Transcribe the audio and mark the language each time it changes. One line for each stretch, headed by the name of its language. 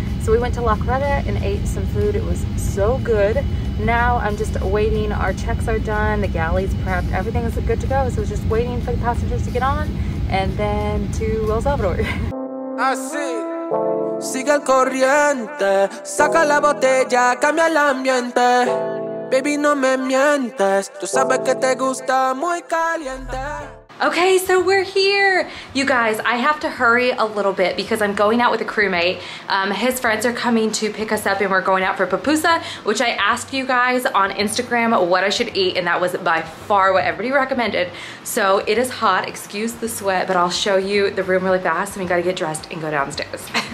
English: So we went to La Carreta and ate some food. It was so good. Now I'm just waiting. Our checks are done, the galley's prepped, everything is good to go. So it's just waiting for the passengers to get on and then to El Salvador.
Spanish: Así, sigue el corriente, saca la botella, cambia el ambiente. Baby, no me mientes, tú sabes que te gusta muy caliente.
English: Okay, so we're here. You guys, I have to hurry a little bit because I'm going out with a crewmate. His friends are coming to pick us up and we're going out for pupusa, which I asked you guys on Instagram what I should eat, and that was by far what everybody recommended. So it is hot, excuse the sweat, but I'll show you the room really fast and we gotta get dressed and go downstairs.